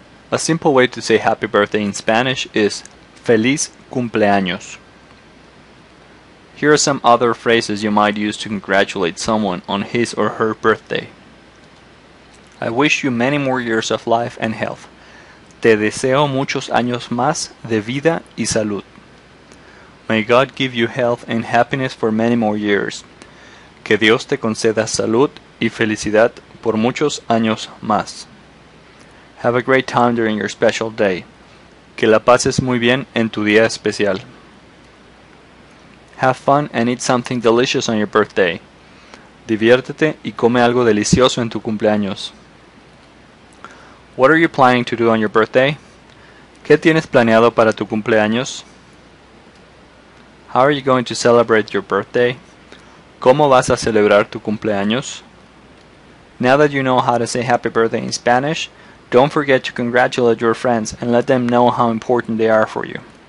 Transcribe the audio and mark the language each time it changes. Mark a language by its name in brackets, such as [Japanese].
[English] A simple way to say happy birthday in Spanish is Feliz cumpleaños. Here are some other phrases you might use to congratulate someone on his or her birthday. I wish you many more years of life and health. [Spanish] Te deseo muchos años más de vida y salud. [English] May God give you health and happiness for many more years. [Spanish] Que Dios te conceda salud y felicidad por muchos años más. [English] Have a great time during your special day. [Spanish] Que la pases muy bien en tu día especial. [English] Have fun and eat something delicious on your birthday. [Spanish] Diviértete y come algo delicioso en tu cumpleaños. [English] What are you planning to do on your birthday? [Spanish] ¿Qué tienes planeado para tu cumpleaños? [English] How are you going to celebrate your birthday? [Spanish] ¿Cómo vas a celebrar tu cumpleaños? [English] Now that you know how to say happy birthday in Spanish, don't forget to congratulate your friends and let them know how important they are for you.